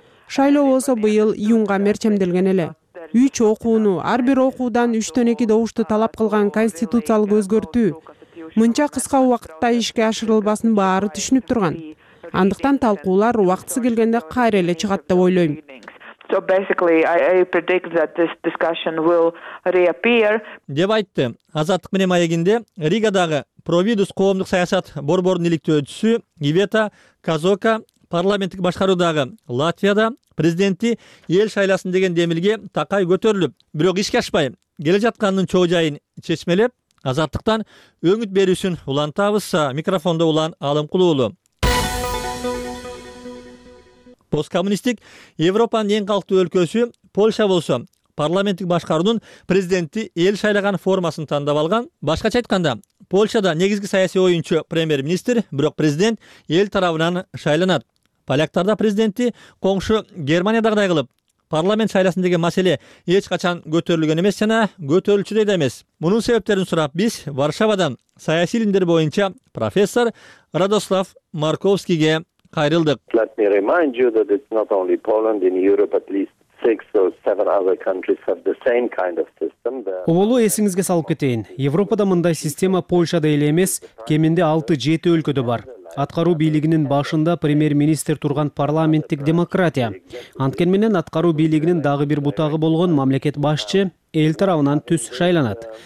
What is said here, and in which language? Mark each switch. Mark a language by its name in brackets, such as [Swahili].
[Kyrgyz] Шайлоо болсо быйыл июнга мерчемделген эле. 3 окууну, ар бир окуудан 3-2 добушту талап кылган конституциялык өзгөртүү мынча кыска убакытта ишке ашырылбасын баары түшүнүп турган. Андыктан талкуулар убактысы келгенде кайра эле чыгат деп ойлойм. [English] So basically I predict that this discussion will reappear. [Kyrgyz] Деп айтты Азаттык менен маегинде Ригадагы Providus коомдук саясат борборунун иликтөөчүсү Ивета Казока. Парламенттик башкаруудагы Латвияда президентти эл шайласын деген демилге такай көтөрүлүп, бирок ишке ашпай келе жатканынын чоо жайын чечмелеп, Азаттыктан өңүт берүүсүн улантабыз. Микрофондо Улан Алымкул уулу. Посткоммунисттик Европанын эң калктуу өлкөсү Польша болсо, парламенттик башкаруунун президенти эл шайлаган формасын тандап алган. Башкача айтканда, Польшада негизги саясий оюнчу премьер-министр, бирок президент эл тарабынан шайланат. Поляктарда президенти коңшу Германиядагыдай кылып, парламент шайласын деген маселе эч качан көтөрүлгөн эмес жана көтөрүлчүдөй да эмес. Мунун себептерин сурап, биз Варшавадан саясий илимдер боюнча профессор Радослав Марковскийге кайрылдык. [English] Let me remind you that it's not only Poland, in Europe at least 6 or 7 other countries have the same kind of system. [Kyrgyz] Оболу эсиңизге салып кетейин. Европада мындай система Польшада эле эмес, кеминде 6-7 өлкөдө бар. Аткаруу бийлигинин башында премьер-министр турган парламенттик демократия. Анткен менен аткаруу бийлигинин дагы бир бутагы болгон мамлекет башчы эл тарабынан түз шайланат.